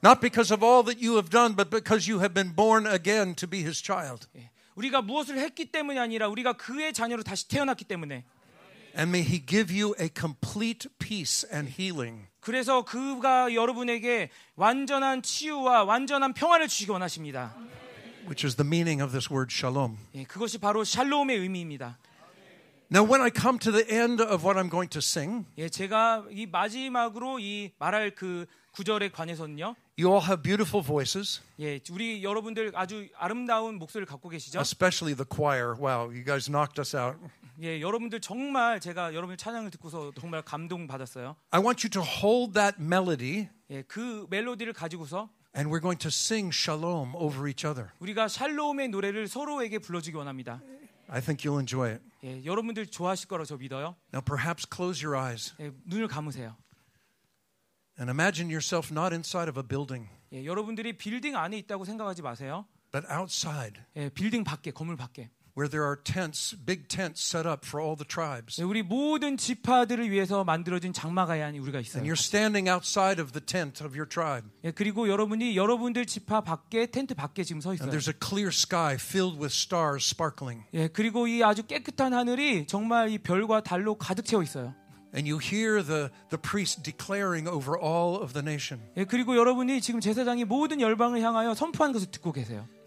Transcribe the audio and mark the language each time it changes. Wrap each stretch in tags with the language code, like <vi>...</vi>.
<en>Not because of all that you have done but because you have been born again to be His child.</en> <ko>예, 우리가 무엇을 했기 때문이 아니라 우리가 그의 자녀로 다시 태어났기 때문에</ko> <en>And may He give you a complete peace and healing.</en> <ko>그래서 그가 여러분에게 완전한 치유와 완전한 평화를 주시기 원하십니다.</ko> <en>Which is the meaning of this word shalom.</en> <ko>예, 그것이 바로 샬롬의 의미입니다.</ko> <en>Now when I come to the end of what I'm going to sing,</en> <ko>예, 제가 이 마지막으로 이 말할 그 구절에 관해서는요.</ko> <en>You all have beautiful voices.</en> <ko>예, 우리 여러분들 아주 아름다운 목소리를 갖고 계시죠?</ko> <en>Especially the choir. Wow, you guys knocked us out.</en> <ko>예, 여러분들 정말 제가 여러분 찬양을 듣고서 정말 감동받았어요.</ko> <en>I want you to hold that melody.</en> <ko>예, 그 멜로디를 가지고서</ko> <en>And we're going to sing shalom over each other.</en> <ko>우리가 샬롬의 노래를 서로에게 불러주기 원합니다.</ko> <en>I think you'll enjoy it.</en> <ko>예, 여러분들 좋아하실 거라 저 믿어요.</ko> <en>Now perhaps close your eyes.</en> <ko>예, 눈을 감으세요.</ko> <en>And imagine yourself not inside of a building.</en> <ko>예, 여러분들이 빌딩 안에 있다고 생각하지 마세요.</ko> <en>But outside.</en> <ko>예, 빌딩 밖에, 건물 밖에.</ko> <en>Where there are tents, big tents set up for all the tribes.</en> <ko>예, 우리 모든 지파들을 위해서 만들어진 장막이 우리가 있어요.</ko> <en>And you're standing outside of the tent of your tribe.</en> <ko>예, 그리고 여러분이 여러분들 지파 밖에 텐트 밖에 지금 서 있어요.</ko> <en>And there's a clear sky filled with stars sparkling.</en> <ko>예, 그리고 이 아주 깨끗한 하늘이 정말 이 별과 달로 가득 채워 있어요.</ko> <en>And you hear the priest declaring over all of the nation.</en> <ko>예, 그리고 여러분이 지금 제사장이 모든 열방을 향하여 선포한 것을 듣고 계세요.</ko>